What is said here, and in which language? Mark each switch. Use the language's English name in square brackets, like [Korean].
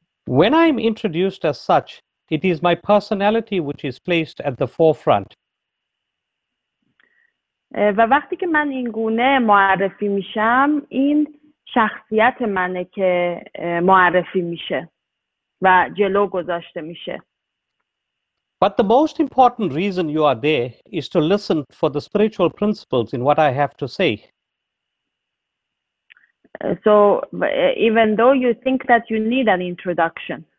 [English] When I am introduced as such, it is my personality which is placed at the forefront. [Persian] و وقتی که من این گونه معرفی میشم این شخصیت منه که معرفی میشه و جلو گذاشته میشه. [English] But the most important reason you are there is to listen for the spiritual principles in what I have to say. So even though you think that you need an introduction.